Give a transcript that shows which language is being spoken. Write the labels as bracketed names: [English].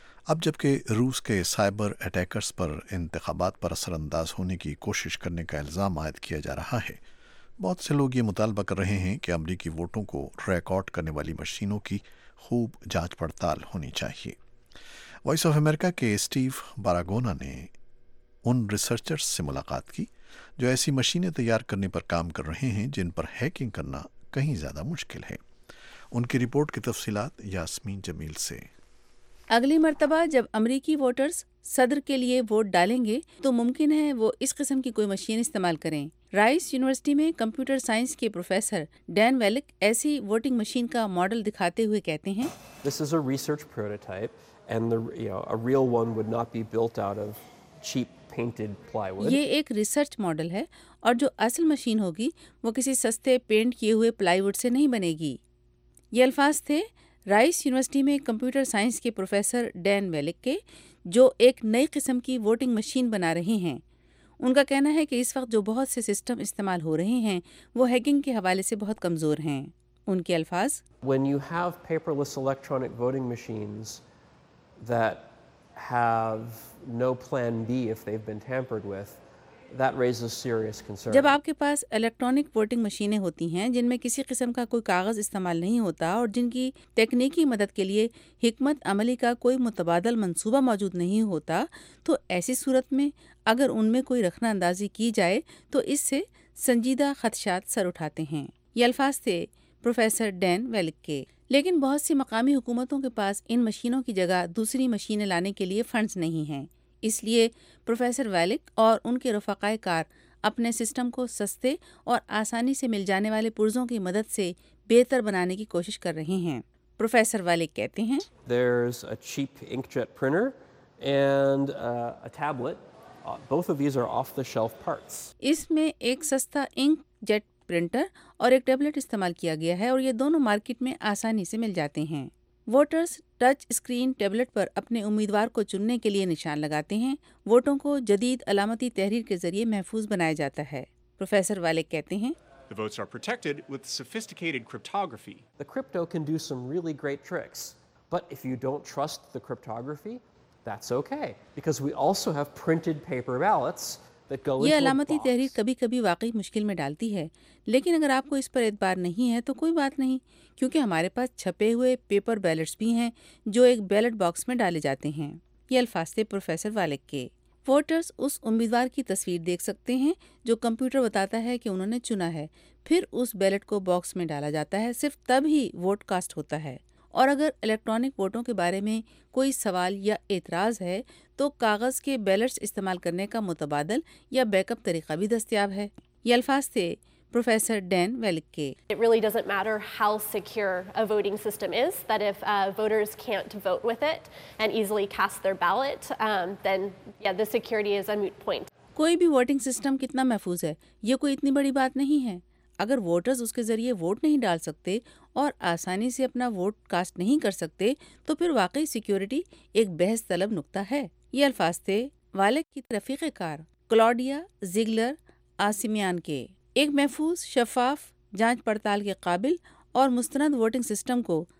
[Urdu] اب جبکہ روس کے سائبر اٹیکرز پر انتخابات پر اثر انداز ہونے کی کوشش کرنے کا الزام عائد کیا جا رہا ہے، بہت سے لوگ یہ مطالبہ کر رہے ہیں کہ امریکی ووٹوں کو ریکارڈ کرنے والی مشینوں کی خوب جانچ پڑتال ہونی چاہیے۔ وائس آف امریکہ کے اسٹیو باراگونا نے ان ریسرچرز سے ملاقات کی جو ایسی مشینیں تیار کرنے پر کام کر رہے ہیں جن پر ہیکنگ کرنا کہیں زیادہ مشکل ہے۔ ان کی رپورٹ کی تفصیلات یاسمین جمیل سے۔ اگلی مرتبہ جب امریکی ووٹرز صدر کے لیے ووٹ ڈالیں گے تو ممکن ہے وہ اس قسم کی کوئی مشین استعمال کریں۔ رائس یونیورسٹی میں کمپیوٹر سائنس کے پروفیسر ڈین ویلک ایسی ووٹنگ مشین کا ماڈل دکھاتے ہوئے کہتے ہیں، [English] This is a research prototype and the, you know, a real one would not be built out of cheap painted plywood. [Urdu] یہ ایک ریسرچ ماڈل ہے اور جو اصل مشین ہوگی وہ کسی سستے پینٹ کیے ہوئے پلائی ووڈ سے نہیں بنے گی۔ یہ الفاظ تھے رائس یونیورسٹی میں کمپیوٹر سائنس کے پروفیسر ڈین ویلک کے، جو ایک نئی قسم کی ووٹنگ مشین بنا رہے ہیں۔ ان کا کہنا ہے کہ اس وقت جو بہت سے سسٹم استعمال ہو رہے ہیں وہ ہیکنگ کے حوالے سے بہت کمزور ہیں۔ ان کے الفاظ، [English] When you have paperless electronic voting machines that have no plan B if they've been tampered with, that raises serious concern. [Urdu] جب آپ کے پاس الیکٹرانک ووٹنگ مشینیں ہوتی ہیں جن میں کسی قسم کا کوئی کاغذ استعمال نہیں ہوتا اور جن کی تکنیکی مدد کے لیے حکمت عملی کا کوئی متبادل منصوبہ موجود نہیں ہوتا، تو ایسی صورت میں اگر ان میں کوئی رکھنا اندازی کی جائے تو اس سے سنجیدہ خدشات سر اٹھاتے ہیں۔ یہ الفاظ تھے پروفیسر ڈین ویلک کے۔ لیکن بہت سی مقامی حکومتوں کے پاس ان مشینوں کی جگہ دوسری مشینیں لانے کے لیے فنڈز نہیں ہیں، اس لیے پروفیسر ویلک اور ان کے رفقائے کار اپنے سسٹم کو سستے اور آسانی سے مل جانے والے پرزوں کی مدد سے بہتر بنانے کی کوشش کر رہے ہیں۔ پروفیسر ویلک کہتے ہیں، [English] There's a cheap inkjet printer and a tablet. Both of these are off-the-shelf parts. [Urdu] اس میں ایک سستا انک جیٹ پرنٹر اور ایک ٹیبلٹ استعمال کیا گیا ہے اور یہ دونوں مارکیٹ میں آسانی سے مل جاتے ہیں۔ ووٹرز ٹچ اسکرین ٹیبلٹ پر اپنے امیدوار کو چننے کے لیے نشان لگاتے ہیں۔ ووٹوں کو جدید علامتی تحریر کے ذریعے محفوظ بنایا جاتا ہے۔ پروفیسر والک کہتے ہیں، [English] The votes are protected with sophisticated cryptography. The crypto can do some really great tricks, but if you don't trust the cryptography, that's okay, because we also have printed paper ballots. [Urdu] یہ علامتی تحریر کبھی کبھی واقعی مشکل میں ڈالتی ہے، لیکن اگر آپ کو اس پر اعتبار نہیں ہے تو کوئی بات نہیں، کیونکہ ہمارے پاس چھپے ہوئے پیپر بیلٹس بھی ہیں جو ایک بیلٹ باکس میں ڈالے جاتے ہیں۔ یہ الفاظ تھے پروفیسر والک کے۔ ووٹرز اس امیدوار کی تصویر دیکھ سکتے ہیں جو کمپیوٹر بتاتا ہے کہ انہوں نے چنا ہے، پھر اس بیلٹ کو باکس میں ڈالا جاتا ہے، صرف تب ہی ووٹ کاسٹ ہوتا ہے۔ اور اگر الیکٹرانک ووٹوں کے بارے میں کوئی سوال یا اعتراض ہے تو کاغذ کے بیلٹس استعمال کرنے کا متبادل یا بیک اپ طریقہ بھی دستیاب ہے۔ یہ الفاظ تھے پروفیسر ڈین ویلک کے۔ [English] It really doesn't matter how secure a voting system is, that if voters can't vote with it and easily cast their ballot, then yeah, the security is a moot point. [Urdu] کوئی بھی voting system کتنا محفوظ ہے یہ کوئی اتنی بڑی بات نہیں ہے۔ اگر ووٹرز اس کے ذریعے ووٹ نہیں ڈال سکتے اور آسانی سے اپنا ووٹ کاسٹ نہیں کر سکتے تو پھر واقعی سیکیورٹی ایک بحث طلب نقطہ ہے۔ یہ الفاظ تھے والک کی رفیق کار کلاڈیا زگلر آسیمیان کے۔ ایک محفوظ، شفاف، جانچ پڑتال کے قابل اور مستند ووٹنگ سسٹم کو